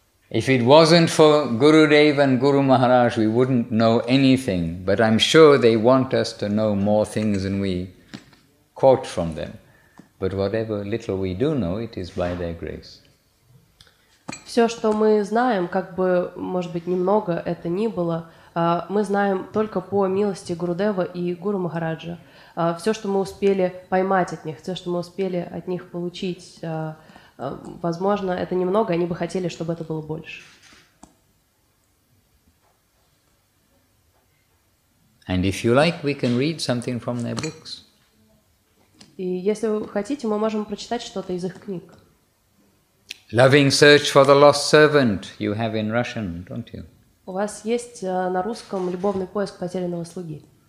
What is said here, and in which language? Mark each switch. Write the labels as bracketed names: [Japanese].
[English] If it wasn't for Guru Dev and Guru Maharaj, we wouldn't know anything. But I'm sure they want us to know more things than we caught from them. But whatever little we do know, it is by their grace. [Russian] Все, что мы знаем, как бы, может быть, немного это ни было, мы знаем только по милости Гуру Дева и Гуру Махараджа. Все, что мы успели поймать от них, все, что мы успели от них получить, возможно, это немного, они бы хотели, чтобы это было больше. [English] And if you like, we can read something from their books. [Russian] И если вы хотите, мы можем прочитать что-то из их книг. [English] Loving search for the lost servant you have in Russian, don't you? [Russian] У вас есть на русском любовный поиск потерянного слуги.